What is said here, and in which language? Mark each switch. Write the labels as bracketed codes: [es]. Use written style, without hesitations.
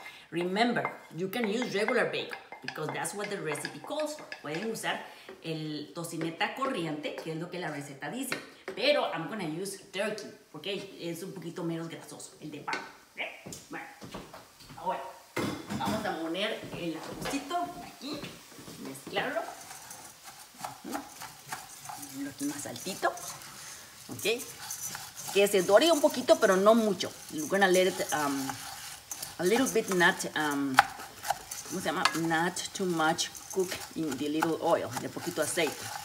[en] Remember, you can use regular bacon because that's what the recipe calls for. [es] Pueden usar el tocineta corriente, que es lo que la receta dice. Pero [en] I'm going to use turkey [es] porque es un poquito menos grasoso, el de pavo. Okay. Bueno, ahora vamos a poner el arrocito aquí, mezclarlo. Ponerlo aquí más altito. Ok. Que se dore un poquito, pero no mucho. [en] We're gonna let it a little bit not [es] ¿cómo se llama? [en] Not too much cook in the little oil, [es] de poquito aceite.